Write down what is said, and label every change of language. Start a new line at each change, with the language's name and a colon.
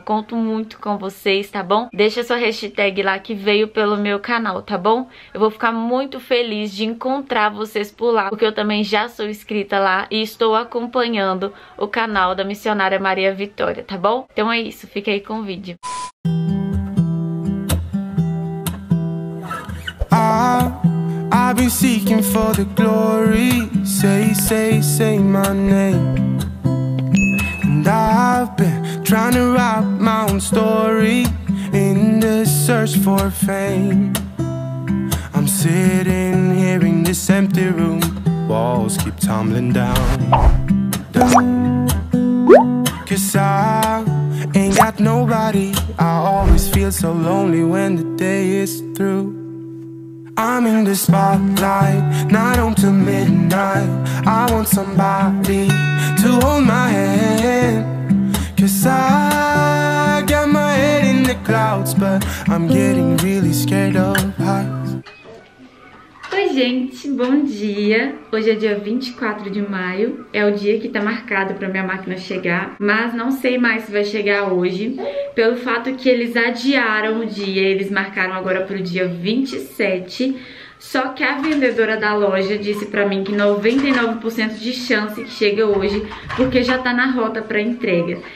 Portuguese: Conto muito com vocês, tá bom? Deixa sua hashtag lá que veio pelo meu canal, tá bom? Eu vou ficar muito feliz de encontrar vocês por lá, porque eu também já sou inscrita lá e estou acompanhando o canal da missionária Maria Vitória, tá bom? Então é isso, fica aí com o vídeo.
English: I've been seeking for the glory, say my name. And I've been trying to write my own story in the search for fame. Sitting here in this empty room, walls keep tumbling down, down. 'Cause I ain't got nobody. I always feel so lonely when the day is through. I'm in the spotlight, night on to midnight. I want somebody to hold my hand. 'Cause I got my head in the clouds, but I'm getting really scared of heights.
Portuguese: Oi gente, bom dia! Hoje é dia 24 de maio, é o dia que tá marcado pra minha máquina chegar, mas não sei mais se vai chegar hoje, pelo fato que eles adiaram o dia, eles marcaram agora pro dia 27, só que a vendedora da loja disse pra mim que 99% de chance que chega hoje, porque já tá na rota pra entrega.